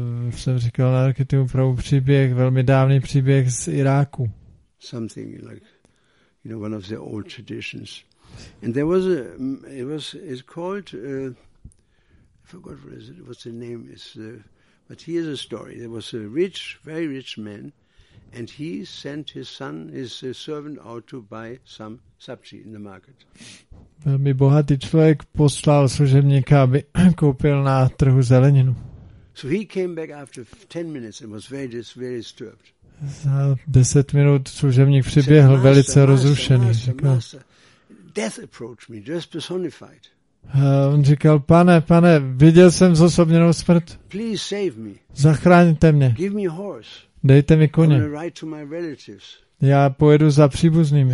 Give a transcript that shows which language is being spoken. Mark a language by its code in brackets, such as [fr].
[cs] Jsem říkal na Narakritimu Prabhu příběh, velmi dávný příběh z Iráku. [en] Something like, you know, one of the old traditions. And there was a, it was, it's called, I forgot what is it, what the name is, but here's a story. There was a rich, very rich man, and he sent his son, his servant out to buy some sabji in the market. [cs] Velmi bohatý člověk poslal služebníka, aby koupil na trhu zeleninu. [en] So he came back after 10 minutes and was very, very disturbed. [cs] Za 10 minut služebník přiběhl velice rozrušený. [en] Death approached me, just personified. [cs] On říkal, pane, pane, viděl jsem zosobněnou smrt. [en] Please save me. [cs] Zachraňte mě. [en] Give me horse. [cs] Dejte mi koně. [en] I'm ride to my relatives. [cs] Já pojedu za příbuznými.